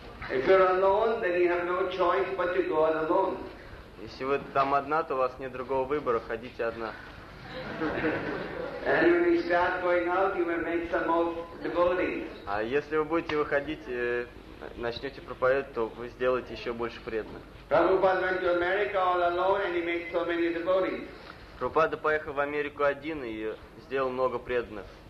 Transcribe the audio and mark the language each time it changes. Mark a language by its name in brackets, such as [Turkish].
[English] If you're alone, then you have no choice but to go alone. [Russian] Если вы там одна, то у вас нет другого выбора, ходите одна. [English] And when you start going out, you will make some of the devotees. [Russian] А если вы будете выходить, начнете проповедовать, то вы сделаете еще больше вредно. [English] Prabhupada went to America all alone and he made so many devotees. [Russian] Прабхупада поехал в Америку один и сделал много преданных.